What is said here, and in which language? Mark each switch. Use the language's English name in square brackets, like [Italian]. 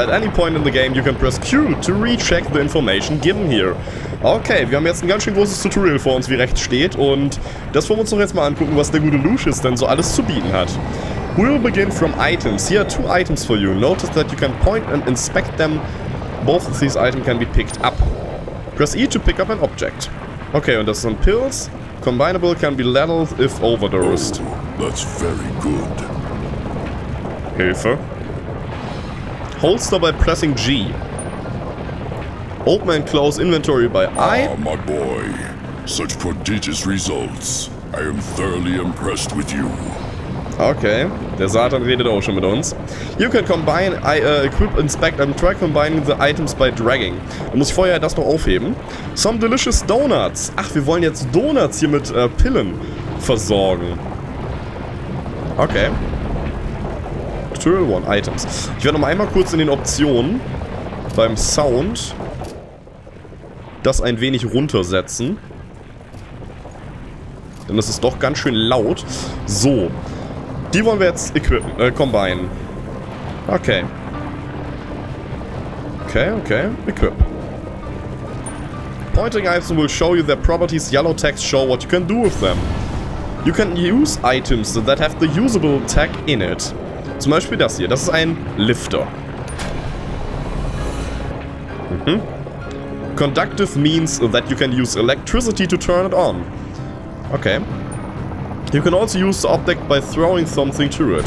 [English] At any point in the game you can press Q to recheck the information given here. [German] Okay, wir haben jetzt ein ganz schön großes Tutorial vor uns, wie rechts steht, und das wollen wir uns doch jetzt mal angucken, was der gute Lucius denn so alles zu bieten hat. [English] We'll begin from items. Here are two items for you. Notice that you can point and inspect them. Both of these items can be picked up. Press E to pick up an object. Okay, [German] und das sind Pills. [English] Combinable can be leveled if overdosed. Oh, that's very good. Hilfe. Holster by pressing G. Open and close inventory by I. Ah, my boy. Such prodigious results. I am thoroughly impressed with you. [German] Okay, der Satan redet auch schon mit uns. [English] You can combine, equip, inspect and try combining the items by dragging. [German] Da muss ich vorher das noch aufheben. [English] Some delicious donuts. [German] Ach, wir wollen jetzt Donuts hier mit Pillen versorgen. Okay. [English] One Items. [German] Ich werde noch einmal kurz in den Optionen beim Sound das ein wenig runtersetzen. Denn das ist doch ganz schön laut. So. Die wollen wir jetzt equipen, combine. Okay. [English] Okay, okay. Equip. Pointing items will show you their properties. Yellow text show what you can do with them. You can use items that have the usable tag in it. [German] Zum Beispiel das hier. Das ist ein Lifter. Mhm. [English] Conductive means that you can use electricity to turn it on. Okay. You can also use the object by throwing something to it.